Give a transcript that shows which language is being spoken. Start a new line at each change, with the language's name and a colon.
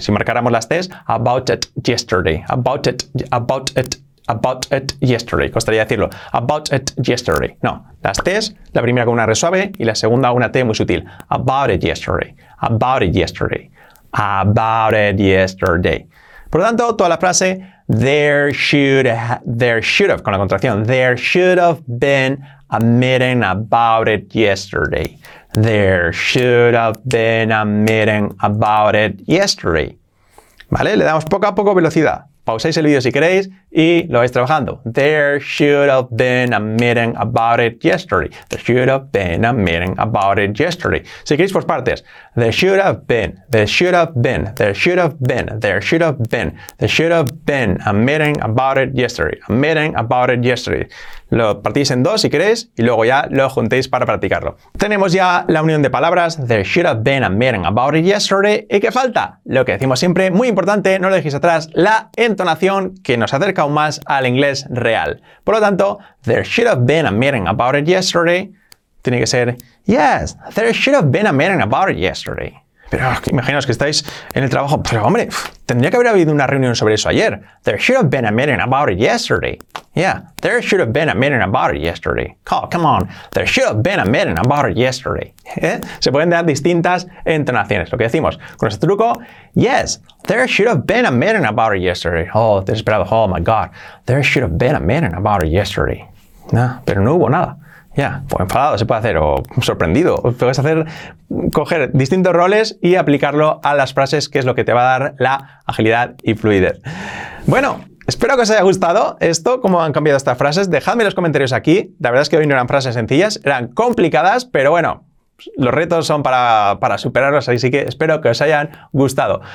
Spanish: Si marcáramos las T's,
English: about it yesterday, about it yesterday.
Spanish: Costaría decirlo,
English: about it yesterday.
Spanish: No, las T's, la primera con una R suave y la segunda una T muy sutil.
English: About it yesterday, about it yesterday, about it yesterday.
Spanish: Por lo tanto, toda la frase,
English: there should have,
Spanish: con la contracción,
English: there should have been a meeting about it yesterday. There should have been a meeting about it yesterday.
Spanish: ¿Vale? Le damos poco a poco velocidad. Pausáis el vídeo si queréis y lo vais trabajando.
English: There should have been a meeting about it yesterday. There should have been a meeting about it yesterday.
Spanish: Si queréis por partes.
English: There should have been. There should have been. There should have been. There should have been. There should have been a meeting about it yesterday. A meeting about it yesterday.
Spanish: Lo partís en dos si queréis y luego ya lo juntéis para practicarlo. Tenemos ya la unión de palabras.
English: There should have been a meeting about it yesterday.
Spanish: ¿Y qué falta? Lo que decimos siempre, muy importante, no lo dejéis atrás, la entonación que nos acerca aún más al inglés real. Por lo tanto,
English: there should have been a meeting about it yesterday.
Spanish: tiene que ser
English: Yes, there should have been a meeting about it yesterday.
Spanish: Pero imaginaos que estáis en el trabajo. Pero hombre, tendría que haber habido una reunión sobre eso ayer.
English: There should have been a meeting about it yesterday. Yeah, there should have been a meeting about it yesterday. Oh, come on. There should have been a meeting about it yesterday. ¿Eh?
Spanish: Se pueden dar distintas entonaciones. Lo que decimos con este truco.
English: Yes, there should have been a meeting about it yesterday. Oh,
Spanish: desesperado.
English: Oh, my God. There should have been a meeting about it yesterday.
Spanish: No, pero no hubo nada. Ya, pues enfadado se puede hacer, o sorprendido. Puedes hacer, coger distintos roles y aplicarlo a las frases, que es lo que te va a dar la agilidad y fluidez. Bueno, espero que os haya gustado esto, cómo han cambiado estas frases. Dejadme los comentarios aquí. La verdad es que hoy no eran frases sencillas, eran complicadas, pero bueno, los retos son para superarlos, así que espero que os hayan gustado.